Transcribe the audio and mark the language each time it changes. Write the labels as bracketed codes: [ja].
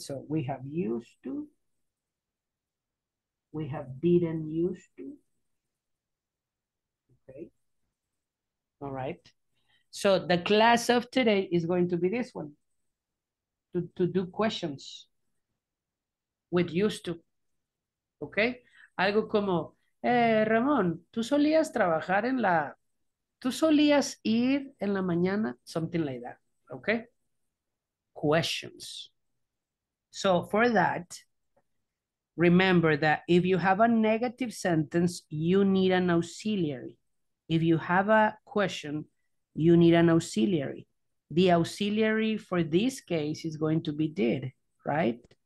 [en] So we have used to, we have didn't used to. Okay. All right. So the class of today is going to be this one, to do questions with used to. Okay? [es] Algo como, Ramón, ¿tú solías trabajar en la, tú solías ir en la mañana? [en] Something like that. Okay? Questions. So for that, remember that if you have a negative sentence, you need an auxiliary. If you have a question, you need an auxiliary. The auxiliary for this case is going to be did, right?